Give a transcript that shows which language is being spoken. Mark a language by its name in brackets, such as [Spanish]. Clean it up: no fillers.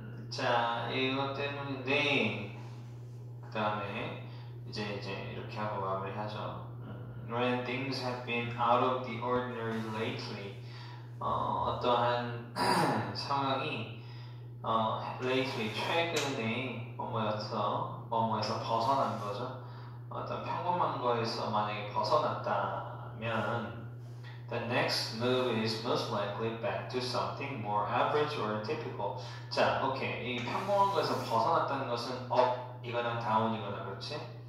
[Korean] 자, 이것 때문인데, 그 다음에, 이제 이렇게 하고 마무리하죠. [English] When things have been out of the ordinary lately, [Korean] 어떠한 상황이 lately 최근에 뭐뭐에서 벗어난 거죠. 어떤 평범한 거에서 만약에 벗어났다면, [English] the next move is most likely back to something more average or typical. [Korean] 자, 오케이. 이 평범한 거에서 벗어났다는 것은 이거랑 다운이거나 그렇지?